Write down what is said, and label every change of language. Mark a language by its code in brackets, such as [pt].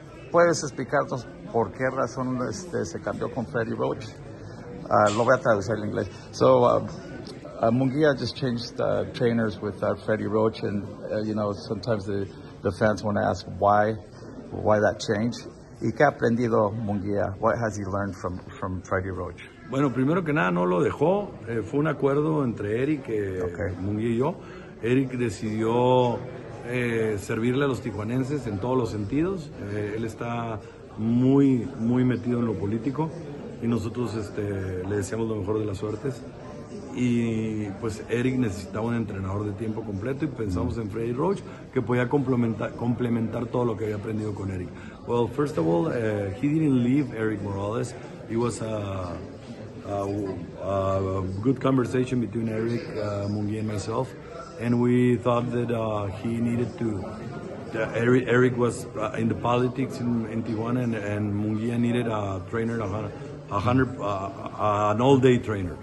[es] ¿Puedes explicarnos por qué razón se cambió con Freddie Roach? Lo voy a traducir en inglés. [en] So, Munguía just changed trainers with Freddie Roach, and sometimes the fans want to ask why that change. [es] ¿Y qué ha aprendido Munguía? [en] What has he learned from Freddie Roach? [es] Bueno, primero que nada, no lo dejó. Fue un acuerdo entre Eric, Munguía y yo. Eric decidió servirle a los tijuanenses en todos los sentidos. Él está muy, muy metido en lo político y nosotros le deseamos lo mejor de las suertes. Y pues Eric necesitaba un entrenador de tiempo completo y pensamos en Freddie Roach, que podía complementar todo lo que había aprendido con Eric. [en] Well, first of all, he didn't leave Eric Morales. It was a good conversation between Eric, Munguía and myself, and we thought that he needed to. Eric was in the politics in Tijuana, and Munguía needed a trainer, an all-day trainer.